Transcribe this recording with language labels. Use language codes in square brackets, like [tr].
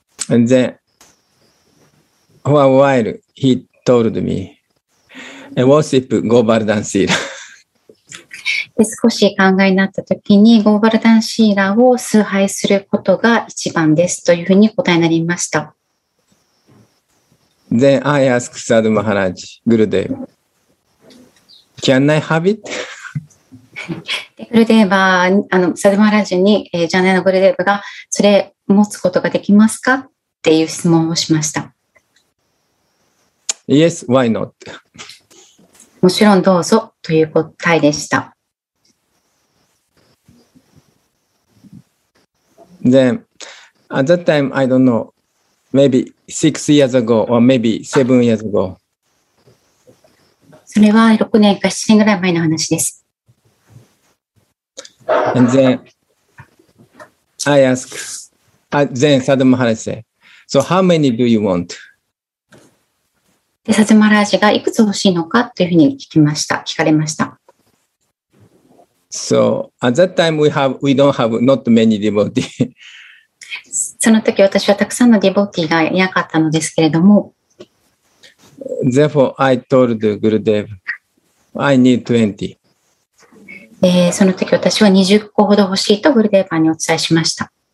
[en] And then, for a while, he told me, a worship Govardhan Sila. [ja] で少し考えになったときに、ゴーバルダンシーラを崇拝することが一番ですというふうに答えになりました。 [en] Then I ask Sadhu Maharaj, Gurudev, can I have it? [ja] でグルデーバー、サドマハラジに、ジャネのグルデーバがそれ持つことができますかっていう質問をしました。 [en] Yes, why not? [ja] もちろんどうぞという答えでした。 [en] Then, at that time, I don't know, maybe 6 years ago or maybe 7 years ago. [ja] それは6年か7年ぐらい前の話です。 [en] And then, I ask, then Sadhu Maharaj said, so how many do you want? [ja] で、Sadhu Maharajがいくつ欲しいのかというふうに聞きました、聞かれました。 [en] So at that time we don't have not many devotees. [ja] その時私はたくさんのデボティがいなかったのですけれども。 [en] Therefore I told Gurudev, I need 20. [ja] その時私は20個ほど欲しいとグルデーバーにお伝えしました。